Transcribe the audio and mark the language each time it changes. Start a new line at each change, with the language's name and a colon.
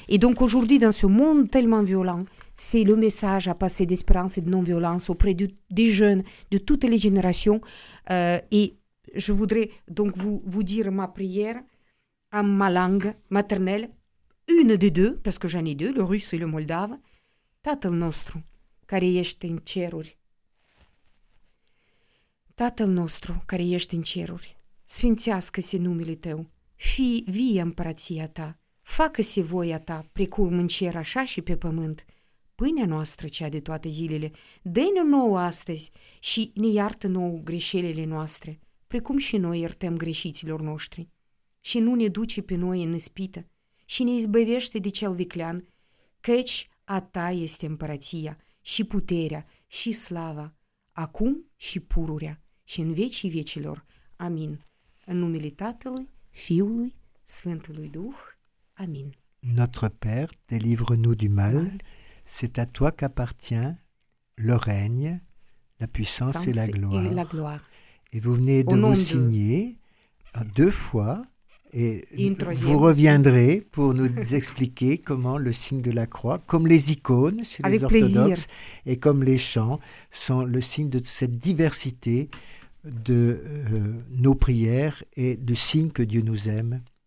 French: Et donc aujourd'hui, dans ce monde tellement violent, c'est le message à passer d'espérance et de non-violence auprès des jeunes, de toutes les générations. Et je voudrais donc vous dire ma prière en ma langue maternelle, une des deux, parce que j'en ai deux, le russe et le moldave.
Romanian: Tatăl nostru, care ești în ceruri. Tatăl nostru, care ești în ceruri, sfințească-se numele tău, fii vie împărăția ta, facă-se voia ta, precum în cer așa și pe pământ. Pâinea noastră cea de toate zilele, dă-ne nouă astăzi și ne iartă nouă greșelile noastre, precum și noi iertăm greșiților noștri. Și nu ne duce pe noi în ispită, și ne izbăvește de cel viclean, căci a ta este împărăția și puterea și slava, acum și pururea și în vecii vecilor. Amin. În numele Tatălui, Fiului, Sfântului Duh. Amin.
French: Notre Père, délivre-nous du mal, c'est à toi qu'appartient le règne, la puissance et la gloire. Et vous venez de vous signer deux fois et vous reviendrez pour nous expliquer comment le signe de la croix, comme les icônes chez les orthodoxes et comme les chants, sont le signe de cette diversité de nos prières et de signes que Dieu nous aime.